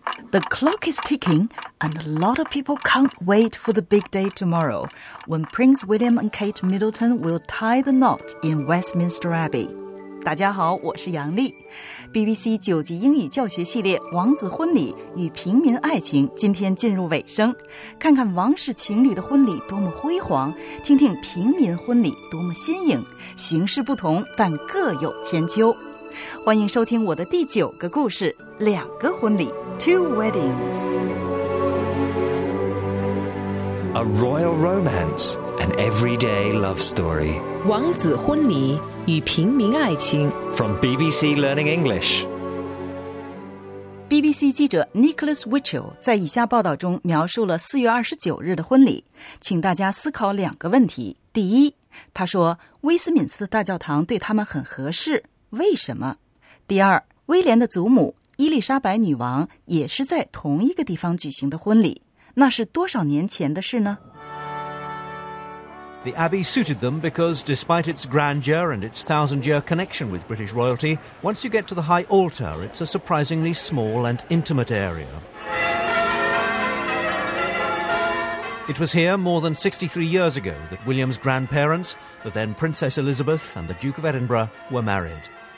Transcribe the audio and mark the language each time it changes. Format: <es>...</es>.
<en>The clock is ticking, and a lot of people can't wait for the big day tomorrow, when Prince William and Kate Middleton will tie the knot in Westminster Abbey.</en> <zh>大家好，我是杨丽。 BBC 九级英语教学系列《王子婚礼与平民爱情》今天进入尾声，看看王室情侣的婚礼多么辉煌，听听平民婚礼多么新颖，形式不同，但各有千秋。欢迎收听我的第九个故事，两个婚礼</zh> <en>Two Weddings. A royal romance, an everyday love story.</en> <zh>王子婚礼与平民爱情</zh> <en>From BBC Learning English.</en> <zh>BBC 记者 Nicholas Witchell 在以下报道中描述了4月29日的婚礼，请大家思考两个问题。第一，他说威斯敏斯特大教堂对他们很合适，为什么？第二，威廉的祖母伊丽莎白女王也是在同一个地方举行的婚礼，那是多少年前的事呢？</zh> <en>The Abbey suited them because despite its grandeur and its thousand-year connection with British royalty, once you get to the high altar, it's a surprisingly small and intimate area. It was here more than 63 years ago that William's grandparents, the then Princess Elizabeth and the Duke of Edinburgh, were married.</en>